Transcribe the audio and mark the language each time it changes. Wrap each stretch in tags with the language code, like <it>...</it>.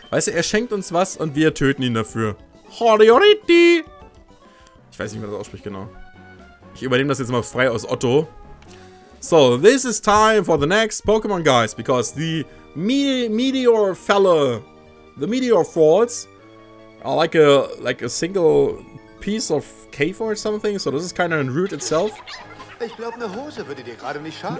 <de>Weißt du, er schenkt uns was und wir töten ihn dafür. Horioriti! Ich weiß nicht, wie man das ausspricht, genau. Ich übernehme das jetzt mal frei aus Otto.</de> <en>So, this is time for the next Pokémon, guys, because the Meteor fella, the Meteor Falls, are like a single piece of cave or something, so this is kind of in root itself.</en> <de>Ich glaube, eine Hose würde dir gerade nicht schaden.</de>